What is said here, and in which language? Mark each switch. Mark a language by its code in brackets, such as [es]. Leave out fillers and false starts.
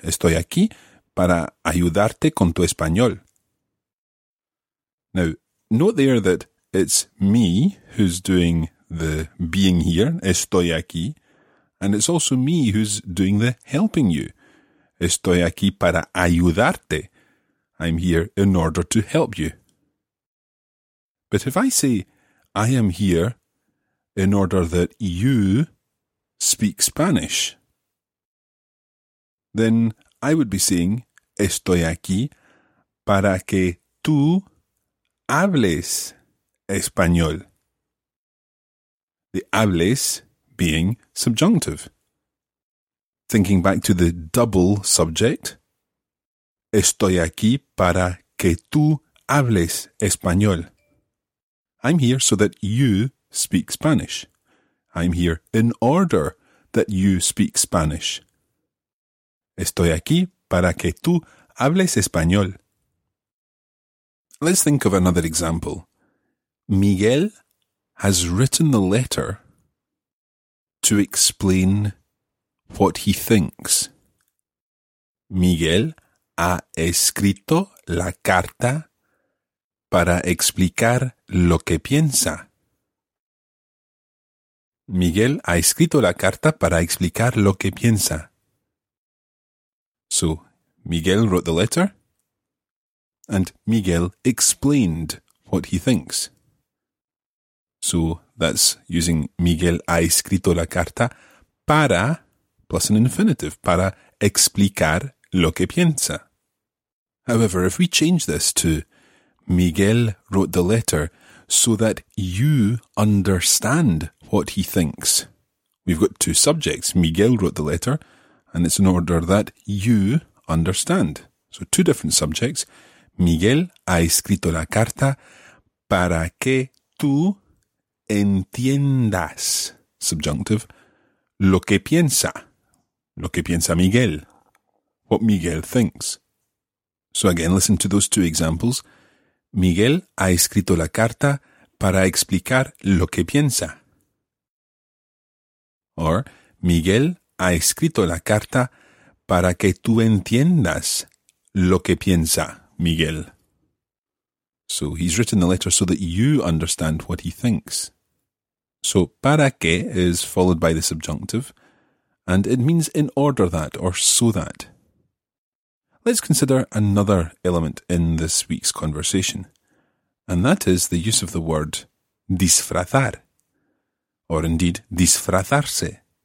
[es] Estoy aquí para ayudarte con tu español. [en] Now, note there that it's me who's doing the being here, [es] estoy aquí, [en] and it's also me who's doing the helping you. [es] Estoy aquí para ayudarte. [en] I'm here in order to help you. But if I say, I am here in order that you speak Spanish, then I would be saying, [es] estoy aquí para que tú hables español. [en] The hables being subjunctive. Thinking back to the double subject, [es] estoy aquí para que tú hables español. [en] I'm here so that you speak Spanish. I'm here in order that you speak Spanish. [es] Estoy aquí para que tú hables español. [en] Let's think of another example. Miguel has written the letter to explain what he thinks. [es] Miguel ha escrito la carta para explicar lo que piensa. Miguel ha escrito la carta para explicar lo que piensa. [en] So, Miguel wrote the letter, and Miguel explained what he thinks. So, that's using [es] Miguel ha escrito la carta para, [en] plus an infinitive, [es] para explicar lo que piensa. [en] However, if we change this to Miguel wrote the letter so that you understand what he thinks, We've got two subjects. Miguel wrote the letter, and it's in order that you understand. So two different subjects. [es] Miguel ha escrito la carta para que tú entiendas. Subjunctive. Lo que piensa Miguel. [en] What Miguel thinks. So again, listen to those two examples. [es] Miguel ha escrito la carta para explicar lo que piensa. Or, Miguel ha escrito la carta para que tú entiendas lo que piensa Miguel. [en] So, he's written the letter so that you understand what he thinks. So, para que is followed by the subjunctive, and it means in order that, or so that. Let's consider another element in this week's conversation, and that is the use of the word disfrazar, or indeed disfrazarse.